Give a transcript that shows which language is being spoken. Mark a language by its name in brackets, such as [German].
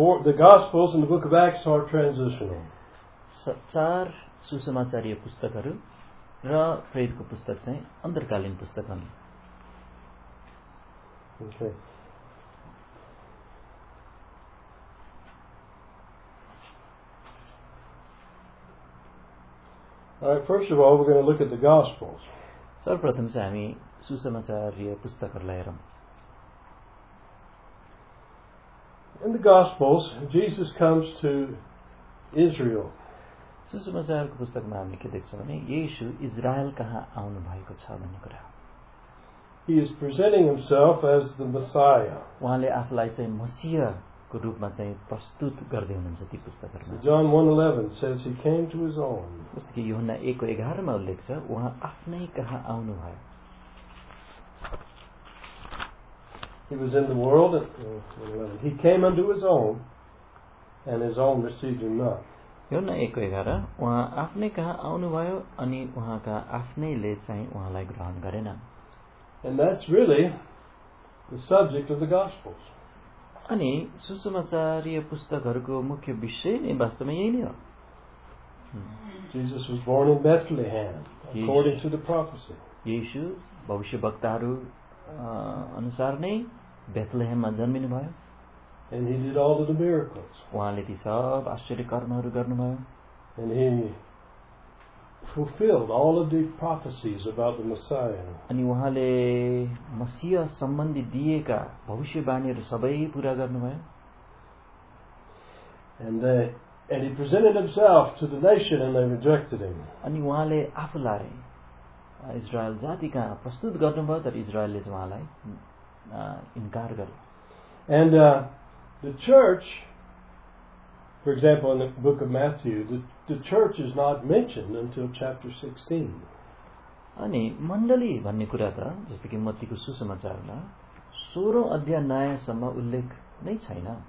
[English] the Gospels and the book of Acts are transitional. [Nepali] चार सुसमाचारीय पुस्तकहरू र प्रेरितको पुस्तक चाहिँ अन्तरकालीन पुस्तक हुन्. [English] First of all, we're going to look at the Gospels. [Nepali] सर्वप्रथम चाहिँ हामी सुसमाचारीय पुस्तकहरूलाई हेरौँ. [English] In the Gospels, Jesus comes to Israel. [Nepali] सुसमाचारको पुस्तकमा हामीले के देख्छौँ भने येशु इजरायल कहाँ आउनु भएको छ भन्ने कुरा. [English] He is presenting himself as the Messiah. [Nepali] उहाँले आफूलाई चाहिँ मसीहको रूपमा चाहिँ प्रस्तुत गर्दै हुनुहुन्छ ती पुस्तकहरूमा. [English] John 1:11 says he came to his own. [Nepali] जस्तो कि यूहन्ना 1:11 उल्लेख छ उहाँ आफ्नै कहाँ आउनु भयो. [English] He was in the world and he came unto his own and his own received him not. [Nepali] योना 1:11 उहाँ आफ्नै कहाँ आउनुभयो अनि उहाँका आफ्नैले चाहिँ उहाँलाई ग्रहण गरेन. [English] And that's really the subject of the Gospels. [Nepali] अनि सुसमाचारीय पुस्तकहरूको मुख्य विषय नै वास्तवमा यही नै हो. [English] Jesus was born in Bethlehem according to the prophecy. [Nepali] Yeshu भविष्यवक्ताहरू अनुसार नै बेथलेहममा जन्मिनु भयो. [English] And he did all of the miracles. [Nepali] उहाँले ती सब आश्चर्य कर्महरु गर्नुभयो. [English] And he fulfilled all of the prophecies about the Messiah. [Nepali] अनि उहाँले मसीह सम्बन्धी दिएका भविष्यवाणीहरु सबै पूरा गर्नुभयो. [English] And he presented himself to the nation and they rejected him. [Nepali] अनि उहाँले आफूलाई इजरायल जातिका प्रस्तुत गर्नुभयो तर इजरायलले चाहिँ उहाँलाई इन्कार गर्यो. [English] And the church, for example, in the book of Matthew, the church is not mentioned until chapter 16. [Nepali] अनि मण्डली भन्ने कुरा त जस्तो कि मत्तीको सुसमाचारमा 16 अध्यायसम्म उल्लेख नै छैन.